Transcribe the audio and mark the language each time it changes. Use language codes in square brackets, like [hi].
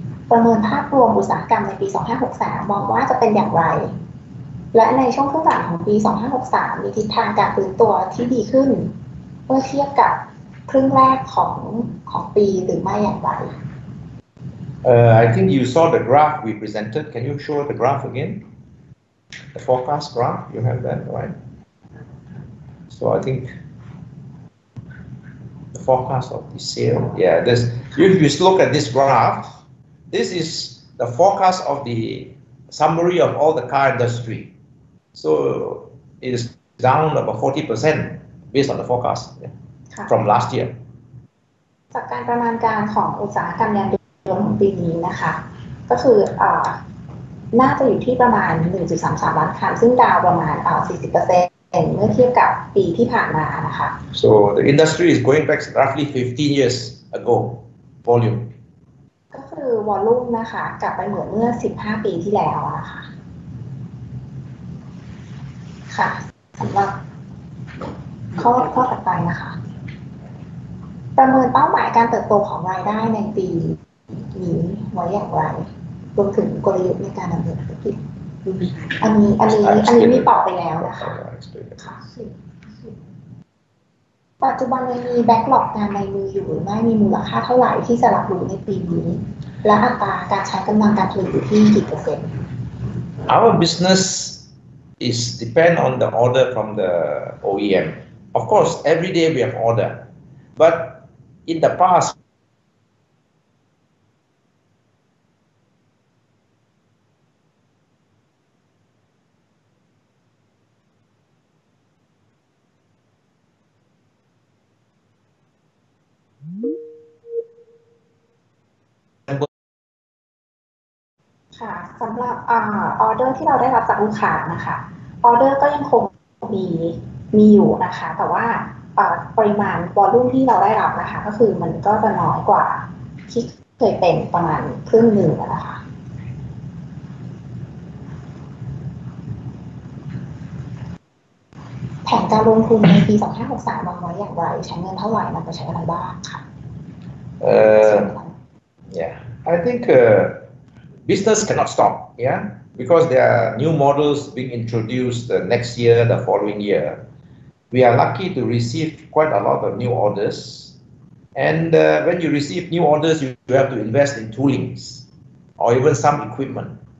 [th] ประเมินภาพรวมอุตสาหกรรมในปี2563มองว่าจะเป็นอย่างไรและในช่วงครึ่งหลังของปี2563มีทิศทางการฟื้นตัวที่ดีขึ้นเมื่อเทียบกับครึ่งแรกของปีหรือไม่อย่างไร [en] I think you saw the graph we presented. Can you show the graph again? The forecast graph, you have that, right? So I think the forecast of the sale, yeah, this, if you look at this graph, this is the forecast of the summary of all the car industry. So it is down about 40% based on the forecast from last year. [th] จากการประมาณการของอุตสาหกรรมยานยนต์ของปีนี้นะคะก็คือน่าจะอยู่ที่ประมาณ 1.33 ล้านคันซึ่งดาวประมาณ 40% เมื่อเทียบกับปีที่ผ่านมานะคะ [en] So the industry is going back roughly 15 years ago volume [th] ก็คือ volume นะคะกลับไปเหมือนเมื่อ15ปีที่แล้วนะคะค่ะสำหรับข้อถัดไปนะคะประเมินเป้าหมายการเติบโตของรายได้ในปีนี้ไว้อย่างไรรวมถึงกลยุทธ์ในการดำเนินธุรกิจอันนี้มีตอบไปแล้วนะคะค่ะ ปัจจุบันยังมีแบ็กหลอกงานในมืออยู่หรือไม่มีมูลค่าเท่าไหร่ที่จะรับรู้ในปีนี้และอัตราการใช้กำลังการผลิตอยู่ที่กี่เปอร์เซ็นต์ [en] Our business is depend on the order from the OEM. Of course, every day we have order, but in the past. [th] ค่ะสำหรับออเดอร์ที่เราได้รับจากลูกค้านะคะออเดอร์ก็ยังคงมีอยู่นะคะแต่ว่าปริมาณวอลลุ่มที่เราได้รับนะคะก็คือมันก็จะน้อยกว่าที่เคยเป็นประมาณครึ่งหนึ่งนะคะแผนการลงทุนในปี2563วางไว้อย่างไรใช้เงินเท่าไหร่นำไปใช้อะไรบ้างค่ะ [en] I think business cannot stop, because there are new models being introduced the next year, the following year. We are lucky to receive quite a lot of new orders. And when you receive new orders, you have to invest in toolings or even some equipment.